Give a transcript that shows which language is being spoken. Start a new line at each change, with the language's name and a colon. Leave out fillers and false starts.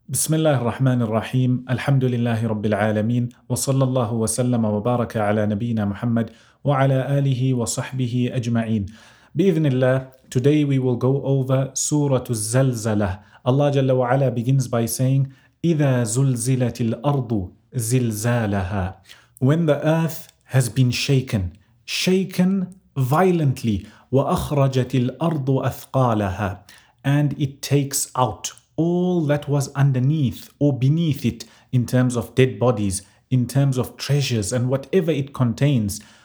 Arabic: بسم الله الرحمن الرحيم الحمد لله رب العالمين وصلى الله وسلم وبارك على نبينا محمد وعلى آله وصحبه أجمعين بإذن الله.
English: Today we will go over سورة الزلزلة.
Arabic: Allah جل وعلا
English: begins by saying
Arabic: إذا زلزلت الأرض زلزالها.
English: When the earth has been shaken, shaken violently,
Arabic: وأخرجت الأرض أثقالها,
English: and it takes out all that was underneath or beneath it in terms of dead bodies, in terms of treasures and whatever it contains.